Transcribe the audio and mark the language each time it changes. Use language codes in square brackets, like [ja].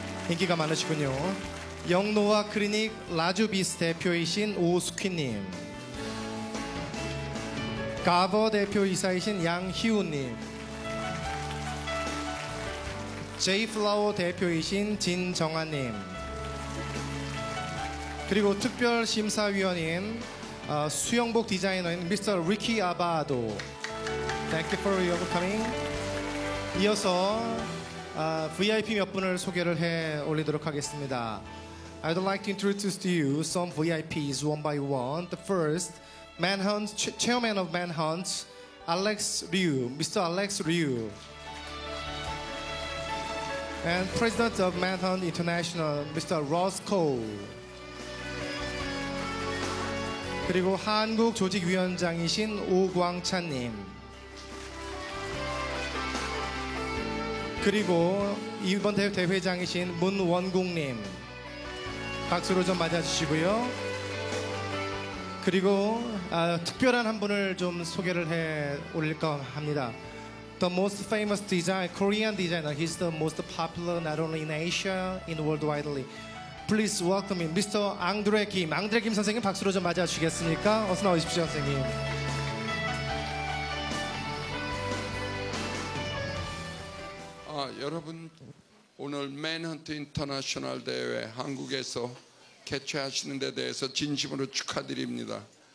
[ko] 인기가 많으시군요 영노아 클리닉 라주비스 대표이신 오숙희님 가버 대표이사이신 양희우님 제이플라워 대표이신 진정아님 그리고 특별심사위원인 수영복 디자이너인 미스터 리키 아바도 [en] Thank you for your coming [ko] 이어서 VIP 몇 분을 소개를 해 올리도록 하겠습니다. [en] I'd like to introduce to you some VIPs one by one. The first, Manhunt, chairman of Manhunt, Alex Liu, Mr. Alex Liu. And president of Manhunt International, Mr. Ross Cole. [ko] 그리고 한국 조직위원장이신 오광찬님. 그리고 이번 대회장이신 문원국님. 박수로 좀 맞아주시고요. 그리고 특별한 한 분을 좀 소개를 해 올릴까 합니다. [en] The most famous designer, Korean designer. He's the most popular not only in Asia, in worldwide. Please welcome him, Mr. 앙드레 김. [ko] 앙드레 김 선생님 박수로 좀 맞아주시겠습니까? 어서 나오십시오, 선생님. 여러분, 오늘 맨헌트 인터내셔널 대회 한국에서 개최하시는 데 대해서 진심으로 축하드립니다.